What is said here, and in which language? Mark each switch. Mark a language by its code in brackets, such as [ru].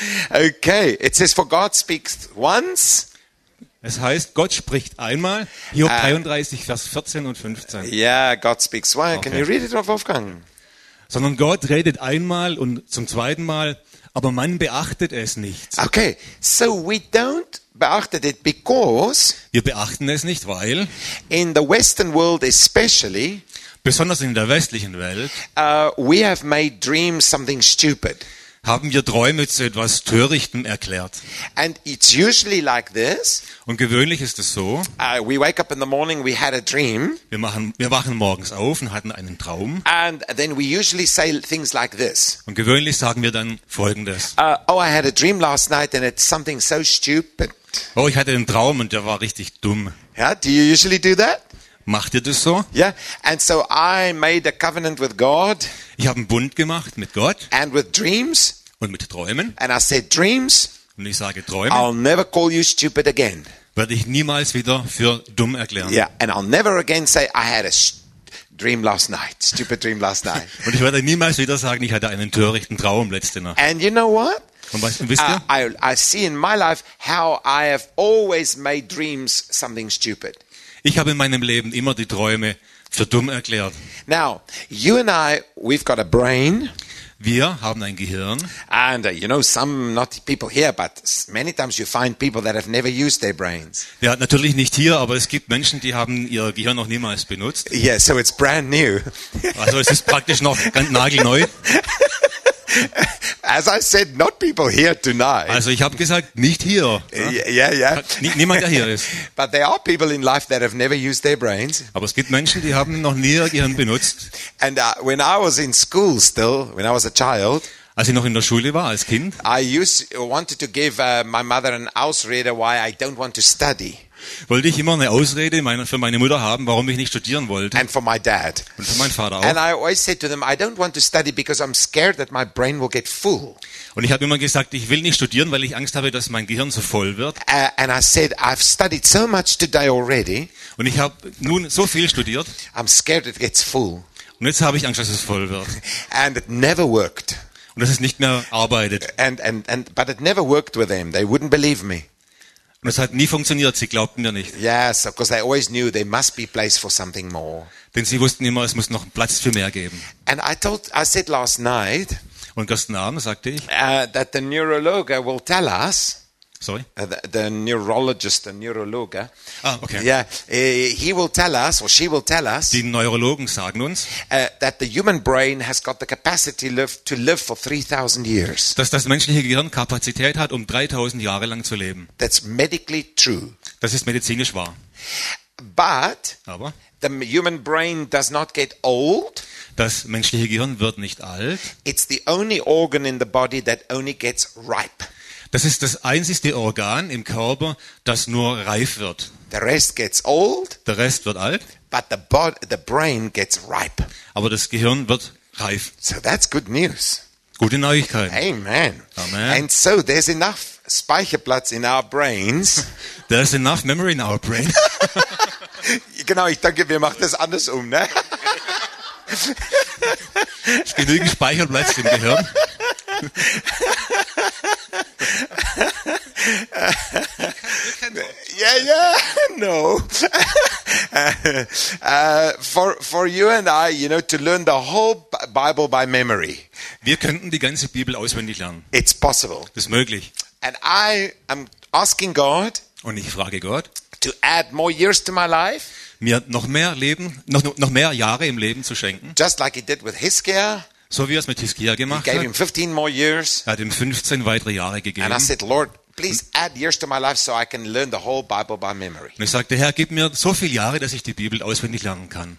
[en] Okay, it says, for God speaks once. [de] Es heißt, Gott spricht einmal. Hiob 33, Vers 14 und 15. [en] Ja, yeah, God speaks once. Okay. Can you read it, Wolfgang? [de] Sondern Gott redet einmal und zum zweiten Mal, aber man beachtet es nicht. [en] Okay, so we don't beachtet it because [de] wir beachten es nicht, weil [en] in the Western world especially [de] besonders in der westlichen Welt [en] we have made dreams something stupid. [de] Haben wir Träume zu etwas Törichtem erklärt. [en] And it's usually like this. [de] Und gewöhnlich ist es so. [en] We wake up in the morning, we had a dream. [de] Wir wachen morgens auf und hatten einen Traum. [en] And then we usually say things like this. [de] Und gewöhnlich sagen wir dann Folgendes. [en] Oh, I had a dream last night and it's something so stupid. [de] Oh, ich hatte einen Traum und der war richtig dumm. [en] Yeah, do you usually do that? [de] Macht ihr das so? [en] Yeah, and so I made a covenant with God. [de] Ich habe einen Bund gemacht mit Gott. [en] And with dreams. [de] Und mit Träumen. [en] And I said dreams. [de] Und ich sage Träume. [en] I'll never call you stupid again. [de] Werde ich niemals wieder für dumm erklären. [en] Yeah, and I'll never again say I had a dream last night, stupid dream last night. [de] Und ich werde niemals wieder sagen, ich hatte einen törichten Traum letzte Nacht. [en] And you know what? [de] Und wisst ihr? [en] I see in my life how I have always made dreams something stupid. [de] Ich habe in meinem Leben immer die Träume für dumm erklärt. [en] Now, you and I, we've got a brain. [de] Wir haben ein Gehirn. [en] And you know, some not people here, but many times you find people that have never used their brains. [de] Ja, natürlich nicht hier, aber es gibt Menschen, die haben ihr Gehirn noch niemals benutzt. [en] Yeah, so it's brand new. [de] Also es ist praktisch noch ganz nagelneu. [en] As I said, not people here tonight. [de] Also ich habe gesagt, nicht hier. [en] Yeah. [de] Niemand, der hier ist. [en] But there are people in life that have never used their brains. [de] Aber es gibt Menschen, die haben noch nie ihr Gehirn benutzt. [en] And when I was in school still, when I was a child, [de] als ich noch in der Schule war als Kind, [en] I wanted to give my mother an Ausrede why I don't want to study. [de] Wollte ich immer eine Ausrede für meine Mutter haben, warum ich nicht studieren wollte. [en] And for my dad. [de] Und für meinen Vater auch. [en] And I always said to them, I don't want to study because I'm scared that my brain will get full. [de] Und ich habe immer gesagt, ich will nicht studieren, weil ich Angst habe, dass mein Gehirn so voll wird. [en] And I said, I've studied so much today already. [de] Und ich habe nun so viel studiert. [en] I'm scared it gets full. [de] Und jetzt habe ich Angst, dass es voll wird. [en] And it never worked. [de] Und dass es nicht mehr arbeitet. [en] And but it never worked with them. They wouldn't believe me. [de] Und es hat nie funktioniert, sie glaubten mir nicht. [en] Yes, because they always knew there must be place for something more. [de] Denn sie wussten immer, es muss noch Platz für mehr geben. [en] And I said last night. [de] Und gestern Abend sagte ich, [en] that the neurologist will tell us. Sorry. The neurologist. Ah, okay. Yeah, he will tell us or she will tell us. [de] Die Neurologen sagen uns, [en] that the human brain has got the capacity to live for 3000 years. [de] Dass das menschliche Gehirn Kapazität hat, um 3000 Jahre lang zu leben. [en] That's medically true. [de] Das ist medizinisch wahr. [en] But [de] aber [en] the human brain does not get old. [de] Das menschliche Gehirn wird nicht alt. [en] It's the only organ in the body that only gets ripe. [de] Das ist das einzige Organ im Körper, das nur reif wird. [en] The rest gets old. [de] Der Rest wird alt. [en] But the brain gets ripe. [de] Aber das Gehirn wird reif. [en] So that's good news. [de] Gute Neuigkeit. [en] Amen. [de] Amen. [en] And so there's enough Speicherplatz in our brains. There's enough memory in our brain. [de] Genau, ich denke, wir machen das andersrum, ne? Ist genügend Speicherplatz im Gehirn. [en] Yeah, yeah, no. For you and I, you know, to learn the whole Bible by memory. [de] Wir könnten die ganze Bibel auswendig lernen. [en] It's possible. [de] Das ist möglich. [en] And I am asking God. [de] Und ich frage Gott. [en] To add more years to my life. [de] Mir noch mehr Leben, noch mehr Jahre im Leben zu schenken. [en] Just like he did with Hiskia. [de] So wie er es mit Hiskia gemacht [en] hat. He gave him 15 more years. [de] Er hat ihm 15 weitere Jahre gegeben. [en] And I said, Lord, please add years to my life so I can learn the whole Bible by memory. [de] Und ich sagte, Herr, gib mir so viele Jahre, dass ich die Bibel auswendig lernen kann.